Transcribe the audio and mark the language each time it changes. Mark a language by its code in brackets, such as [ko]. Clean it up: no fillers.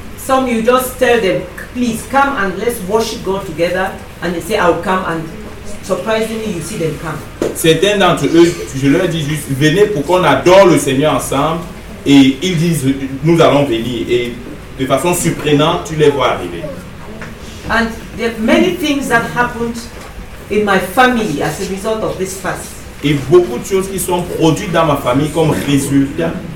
[en] Some you just tell them, please come and let's worship God together, and they say I'll come. And surprisingly, you see them come. [fr] Certains d'entre eux, je leur dis juste venez pour qu'on adore le Seigneur ensemble, et ils disent nous allons venir. Et de façon surprenante, tu les vois arriver. [en] And there are many things that happened in my family as a result of this fast. [fr] Et beaucoup de choses qui sont produites dans ma famille comme résultat.